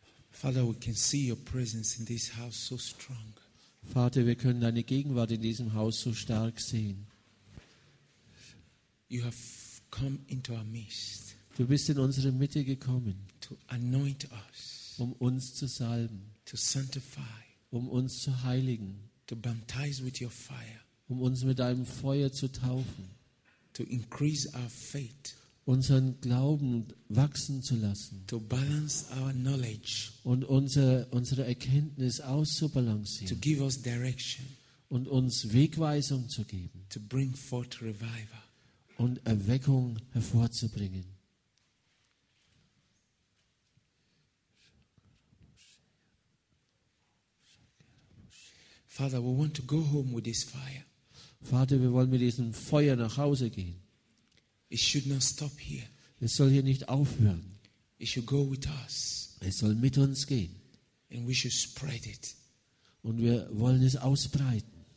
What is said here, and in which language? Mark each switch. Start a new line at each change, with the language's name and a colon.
English: Father, we can see your presence in this house so strong.
German: Vater, wir können deine Gegenwart in diesem Haus so stark sehen.
English: You have come into our midst.
German: Du bist in unsere Mitte gekommen.
English: To anoint us.
German: Um uns zu salben.
English: To sanctify.
German: Um uns zu heiligen.
English: To baptize with your fire.
German: Um uns mit deinem Feuer zu taufen.
English: To increase our faith.
German: Unseren Glauben wachsen zu lassen.
English: To balance our knowledge.
German: Und unsere Erkenntnis auszubalancieren.
English: To give us direction.
German: Und uns Wegweisung zu geben.
English: To bring forth revival.
German: Und Erweckung hervorzubringen.
English: Father, we want to go home with this fire.
German: Vater, wir wollen mit diesem Feuer nach Hause gehen.
English: It should not stop here.
German: Es soll hier nicht aufhören.
English: It should go with us.
German: Es soll mit uns gehen.
English: And we should spread it.
German: Und wir wollen es ausbreiten.